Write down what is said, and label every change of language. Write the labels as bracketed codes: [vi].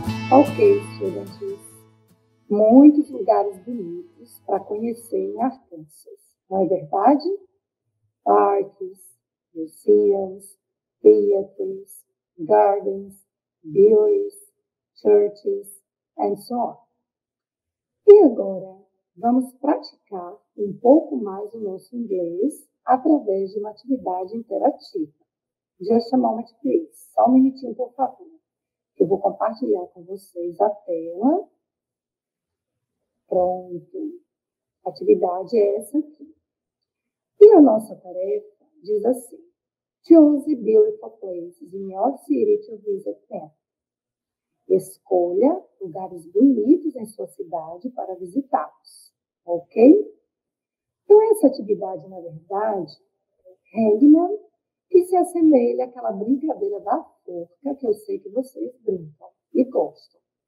[pt] Ok, estudantes, muitos lugares bonitos para conhecer em Arkansas, não é verdade? [en] parques, museums, theaters, gardens, breweries, churches, and so on. [pt] E agora, vamos praticar um pouco mais o nosso inglês através de uma atividade interativa. [en] Just a moment, please. [pt] Só um minutinho, por favor. Eu vou compartilhar com vocês a tela. Pronto. A atividade é essa aqui. E a nossa tarefa diz assim. [en] Choose beautiful places in your city to visit them. [pt] Escolha lugares bonitos em sua cidade para visitá-los. Ok? Então, essa atividade, na verdade, é Hangman, que se assemelha àquela brincadeira da forca que eu sei que vocês brincam e gostam.